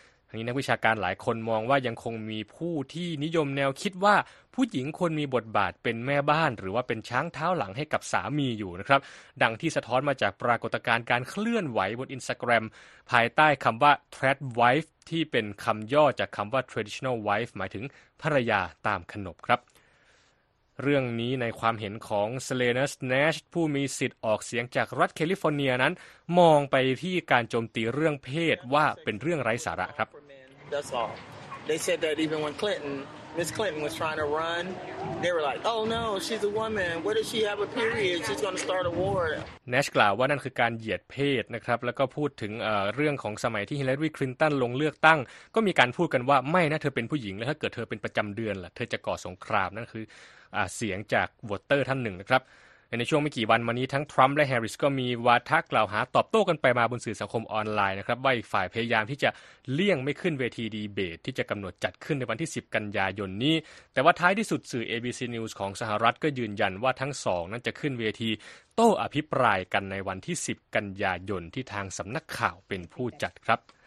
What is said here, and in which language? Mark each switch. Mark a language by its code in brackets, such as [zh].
[th] ทั้งนี้นักวิชาการหลายคนมองว่ายังคงมีผู้ที่นิยมแนวคิดว่าผู้หญิงควรมีบทบาทเป็นแม่บ้านหรือว่าเป็นช้างเท้าหลังให้กับสามีอยู่นะครับดังที่สะท้อนมาจากปรากฏการณ์การเคลื่อนไหวบน Instagram ภายใต้คำว่า Trad Wife ที่เป็นคำย่อจากคำว่า Traditional Wife หมายถึงภรรยาตามขนบครับ เรื่องนี้ในความเห็นของเซเลนัสแนชผู้มีสิทธิ์ออกเสียงจากรัฐแคลิฟอร์เนียนั้นมองไปที่การโจมตีเรื่องเพศว่าเป็นเรื่องไร้สาระครับ [en] That's all. They said that even when Clinton, Miss Clinton was trying to run, they were like, "Oh no, she's a woman. What if she have a period? She's going to start a war." [th] แนชกล่าวว่านั่นคือการเหยียดเพศนะครับแล้วก็พูดถึงเรื่องของสมัยที่ฮิลเลอรี่คลินตันลงเลือกตั้งก็มีการพูดกันว่าไม่นะเธอเป็นผู้หญิงแล้วถ้าเกิดเธอเป็นประจำเดือนล่ะเธอจะก่อสงครามนั่นคือ เสียงจากวอเตอร์ท่านหนึ่งนะครับในช่วงไม่กี่วันมานี้ทั้งทรัมป์และแฮร์ริสก็มีวาทะกล่าวหาตอบโต้กันไปมาบนสื่อสังคมออนไลน์นะครับว่าอีกฝ่ายพยายามที่จะเลี่ยงไม่ขึ้นเวทีดีเบตที่จะกำหนดจัดขึ้นในวันที่10กันยายนนี้แต่ว่าท้ายที่สุดสื่อ ABC News ของสหรัฐก็ยืนยันว่าทั้งสองนั้นจะขึ้นเวทีโต้อภิปรายกันในวันที่10กันยายนที่ทางสำนักข่าวเป็นผู้จัดครับ